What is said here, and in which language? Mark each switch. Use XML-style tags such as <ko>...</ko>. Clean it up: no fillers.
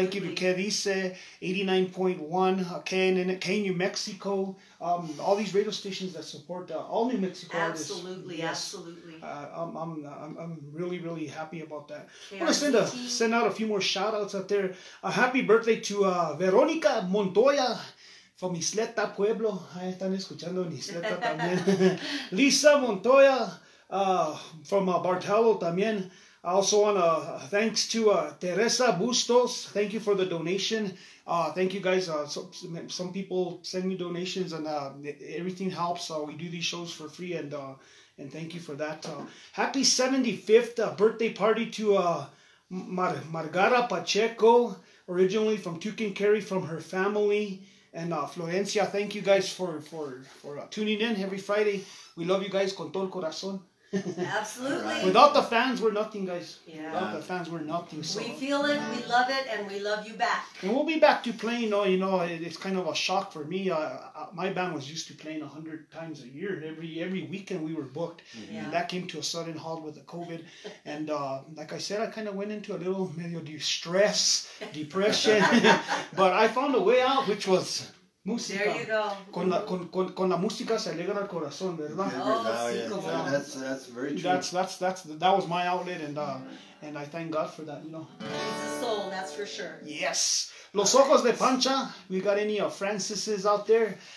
<en>Thank you to Que Dice, 89.1, KNN, KNU Mexico, all these radio stations that support all New Mexico artists. Absolutely, yes. Absolutely. I'm really, really happy about that. I want to send out a few more shout-outs out there. A happy birthday to Veronica Montoya. From Isleta Pueblo,</en> <es>ahí están escuchando en Isleta también.</es> <en>Lisa Montoya, from Bartolo</en> <es>también.</es> <en>I also want to thanks to Teresa Bustos. Thank you for the donation. Thank you guys. Some people send me donations and everything helps. So we do these shows for free and thank you for that. Happy 75th birthday party to Margara Pacheco, originally from Tucumcari, from her family. And Florencia, thank you guys for tuning in every Friday. We love you guys</en> <es>con todo el corazón.</es> <en>Absolutely. Right. Without the fans, we're nothing, guys. Yeah. Without the fans, we're nothing. So. We feel it, we love it, and we love you back. And we'll be back to playing. It's kind of a shock for me. My band was used to playing 100 times a year. Every weekend we were booked. Mm-hmm. And that came to a sudden halt with the COVID. And like I said, I kind of went into a little medio distress, depression. But I found a way out, which was...</en> <es>Música.</es> <en>There you go.</en> <es>Con la música se alegra el corazón, ¿verdad?</es> <en>Oh, no, yeah. That's very true. That was my outlet, and I thank God for that, you know. It's a soul, that's for sure. Yes. Los ojos de Pancha. We got any of Francis's out there.</en>